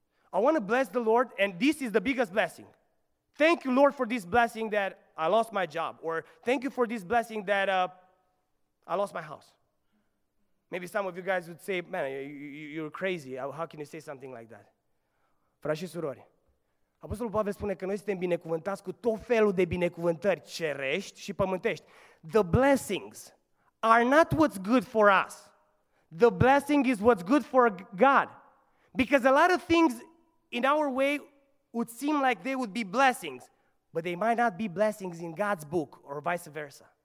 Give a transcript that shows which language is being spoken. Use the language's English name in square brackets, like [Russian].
[English] I want to bless the Lord, and this is the biggest blessing. Thank you, Lord, for this blessing that I lost my job, or thank you for this blessing that I lost my house. Maybe some of you guys would say, man, you're crazy. How can you say something like that? [Romanian] Frați și surori, Apostolul Pavel spune că noi suntem binecuvântați cu tot felul de binecuvântări cerești și pământești. [English] The blessings are not what's good for us. The blessing is what's good for God. Because a lot of things in our way would seem like they would be blessings, but they might not be blessings in God's book or vice versa.